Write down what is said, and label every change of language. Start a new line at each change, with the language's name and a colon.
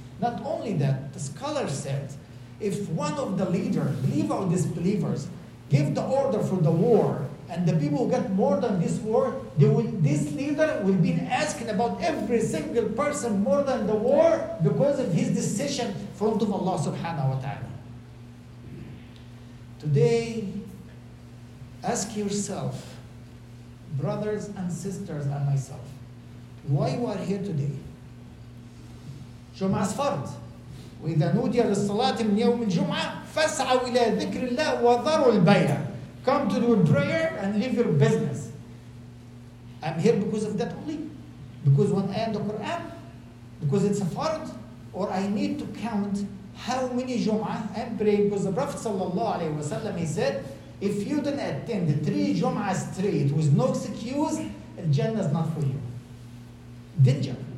English: Not only that, the scholar said, if one of the leaders, believer or disbelievers, give the order for the war, and the people get more than this war, this leader will be asking about every single person more than the war because of his decision front of Allah subhanahu wa ta'ala. Today, ask yourself, brothers and sisters and myself, why you are here today? Jum'ah Asfard.
Arabic: وإذا نودي للصلاة من يوم الجمعة فاسعوا إلى ذكر الله وذروا البيع.
English: Come to do a prayer and leave your business. I'm here because of that only. Because when I end the Quran, because it's a fard, or I need to count how many Jum'ah I'm praying. Because the Prophet sallallahu alayhi wa sallam, he said, if you don't attend the 3 Jum'ah straight with no excuse, Jannah is not for you. Danger.